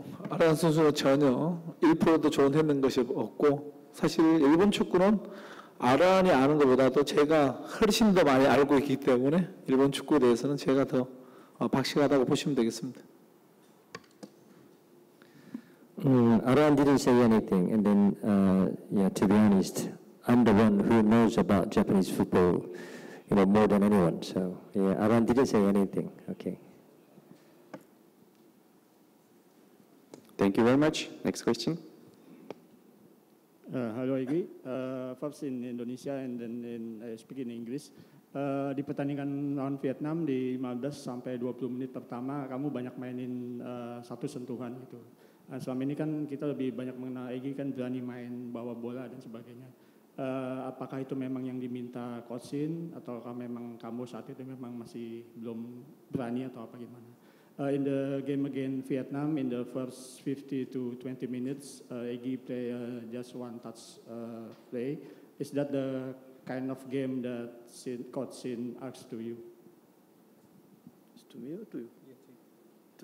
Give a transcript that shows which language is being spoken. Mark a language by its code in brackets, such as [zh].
[ko] 아르한 선수는 전혀 1%도 조언했는 것이 없고 사실 일본 축구는 아르한이 아는 것보다도 제가 훨씬 더 많이 알고 있기 때문에 일본 축구에 대해서는 제가 더 박식하다고 보시면 되겠습니다. [en] Aran didn't say anything, and then to be honest, I'm the one who knows about Japanese football, you know, more than anyone. So yeah, Aran didn't say anything. Okay. Thank you very much. Next question. Hello, Egy. First in Indonesia, and then speaking English. [id] Di pertandingan lawan Vietnam di 15 sampai 20 menit pertama, kamu banyak mainin satu sentuhan gitu. Nah, selama ini kan kita lebih banyak mengenal Egy kan berani main bawa bola dan sebagainya. Apakah itu memang yang diminta Kotsin atau memang kamu saat itu memang masih belum berani atau apa gimana? [en] In the game against Vietnam, in the first 50 to 20 minutes, Egy play just one touch play. Is that the kind of game that Kotsin asks to you? It's to me or to you? Yeah, to